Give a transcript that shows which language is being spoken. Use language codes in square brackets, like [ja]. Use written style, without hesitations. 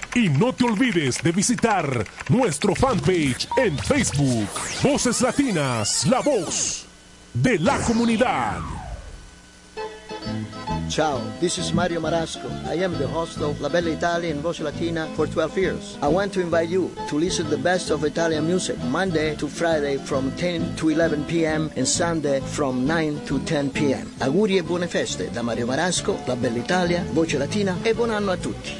[es] Y no te olvides de visitar nuestro fanpage en Facebook, Voces Latinas, la voz de la comunidad. [en] Ciao, this is Mario Marasco. I am the host of La Bella Italia and Voce Latina for 12 years. I want to invite you to listen to the best of Italian music Monday to Friday from 10 to 11 p.m. and Sunday from 9 to 10 p.m. [it] Auguri e buone feste da Mario Marasco, La Bella Italia, Voce Latina e buon anno a tutti.